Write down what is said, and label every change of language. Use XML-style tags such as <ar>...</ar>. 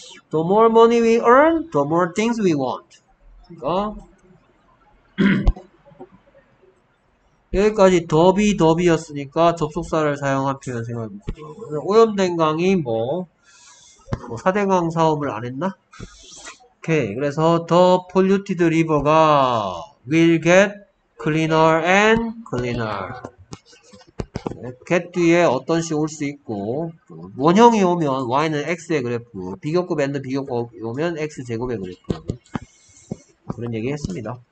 <en>The more money we earn, the more things we want.</en> <ko>그러니까 여기까지 더비였으니까 접속사를 사용한 표현 생각해 보세요. 오염된 강이 뭐 4대강 사업을 안 했나? 오케이. 그래서</ko> <en>the polluted river가 will get cleaner and cleaner.</en> <ko>get 뒤에 어떤 식올수 있고 원형이 오면 y는 x의 그래프, 비교급 and 비교급 오면 x 제곱의 그래프 그런 얘기 했습니다.</ko>